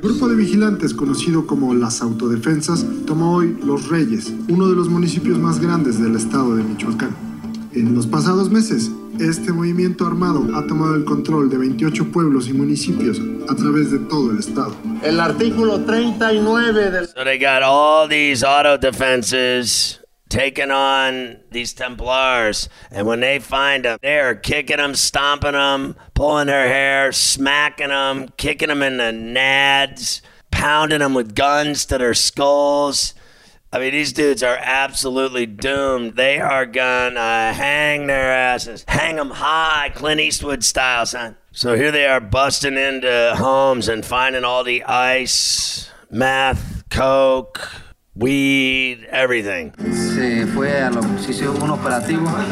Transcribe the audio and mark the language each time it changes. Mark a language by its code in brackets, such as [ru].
[es] Grupo de vigilantes conocido como las autodefensas tomó hoy Los Reyes, uno de los municipios más grandes del estado de Michoacán. En los pasados meses, este movimiento armado ha tomado el control de 28 pueblos y municipios a través de todo el estado. El artículo 39 del... [en] So they got all these auto defenses taking on these Templars, and when they find them, they are kicking them, stomping them, pulling their hair, smacking them, kicking them in the nads, pounding them with guns to their skulls. I mean, these dudes are absolutely doomed. They are gonna hang their asses. Hang them high, Clint Eastwood style, son. So here they are busting into homes and finding all the ice, meth, coke, weed, everything. [es] Se fue a lo que se hizo un operativo.